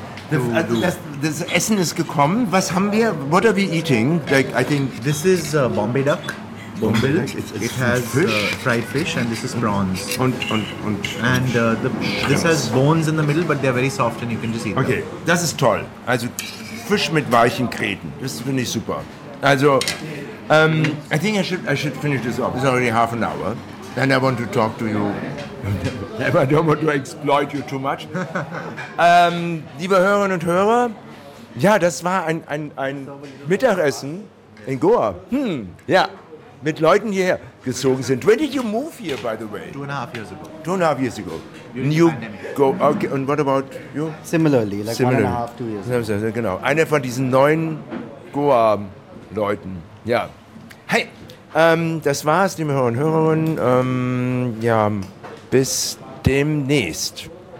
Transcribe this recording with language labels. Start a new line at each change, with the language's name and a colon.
German: Das Essen ist gekommen. Was haben wir?
English: What are we eating? Like, I think this is Bombay duck. Bombay duck. It has fish. Fried fish, and this is prawns. This has bones in the middle, but they're very soft, and you can just eat okay. them.
German: Okay, das ist toll. Also Fisch mit weichen Kräten. Das finde ich super.
English: Also, I think I should finish this off. It's already half an hour, and I want to talk to you. I don't want to exploit you too much.
German: liebe Hörerinnen und Hörer, ja, das war ein Mittagessen in Goa. Hm, ja, mit Leuten hierher gezogen sind.
English: When did you move here, by the way? 2.5 years ago. 2.5 years ago. You go, okay, and what about you? Similarly, like similarly. 1.5, 2 years ago.
German: Genau, einer von diesen neuen Goa-Leuten, ja. Hey, das war's, liebe Hörerinnen und Hörer. Ja, bis demnächst.